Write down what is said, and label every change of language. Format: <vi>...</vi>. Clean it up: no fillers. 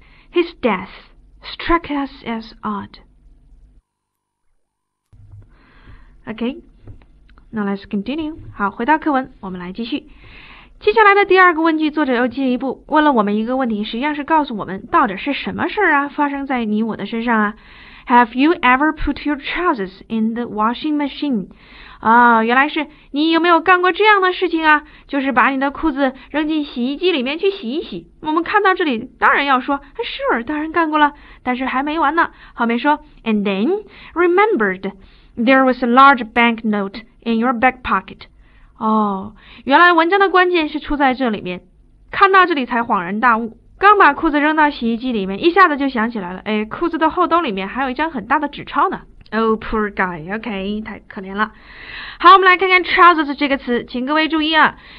<en>His death struck us as odd. OK, now let's continue.</en> <zh>好，回到课文，我们来继续。接下来的第二个问句，作者又进一步问了我们一个问题，实际上是告诉我们到底是什么事儿啊发生在你我的身上啊。</zh> <en>Have you ever put your trousers in the washing machine?</en> <zh>啊，原来是你有没有干过这样的事情啊，就是把你的裤子扔进洗衣机里面去洗一洗。我们看到这里当然要说 sure, 当然干过了，但是还没完呢。后面说</zh> <en>and then remembered,There was a large bank note in your back pocket.</en> <zh>哦，原来文章的关键是出在这里面。看到这里才恍然大悟，刚把裤子扔到洗衣机里面，一下子就想起来了。哎，裤子的后兜里面还有一张很大的纸钞呢。</zh> <en>Oh, poor guy.</en> <zh>OK, 太可怜了。好，我们来看看 trousers 这个词，请各位注意啊。</zh>